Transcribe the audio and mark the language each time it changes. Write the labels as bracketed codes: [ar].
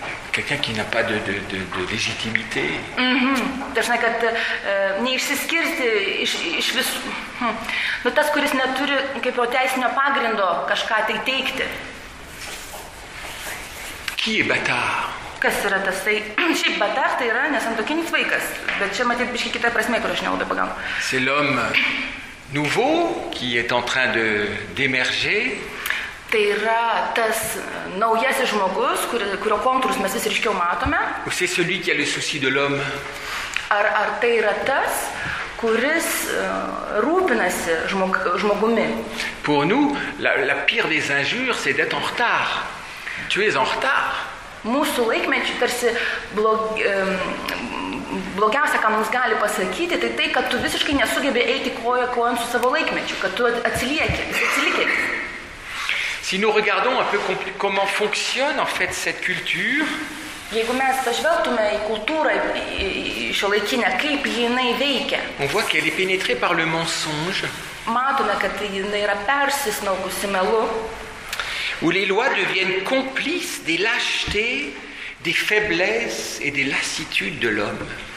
[fr] Quelqu'un qui n'a pas de légitimité. [lt] Dažnai, kad neišsiskirti iš visų. Nu, tas, kuris neturi kaip jau teisinio pagrindo kažką tai teikti. [fr] Qui est bâtard? [lt] Kas yra tas? Tai, šiaip bâtard tai yra nesantokinis vaikas. Bet čia matyt biškai kitą prasmę, kur aš nelabai pagalbu. [fr] C'est l'homme nouveau qui est en train d'émerger. [lt] Tai yra tas naujasis žmogus, kurio kontūrus mes vis ryškiau matome. [fr] Ou c'est celui qui a le souci de l'homme. [lt] Ar tai yra tas, kuris rūpinasi žmogumi. [fr] Pour nous, la pire des injures, c'est d'être en retard. Tu es en retard. [lt] Mūsų laikmečiu tarsi blogiausia, ką mums gali pasakyti, tai tai, kad tu visiškai nesugebi eiti koja kojon su savo laikmečiu, kad tu atsiliekis. [fr] Si nous regardons un peu comment fonctionne en fait cette culture, [lt] jeigu mes pažvelgtume į kultūrą šiuolaikinę, kaip jinai veikia, [fr] on voit qu'elle est pénétrée par le mensonge, [lt] matome, kad jinai yra persismelkusi melu, [fr] où les lois deviennent complices des lâchetés, des faiblesses et des lassitudes de l'homme.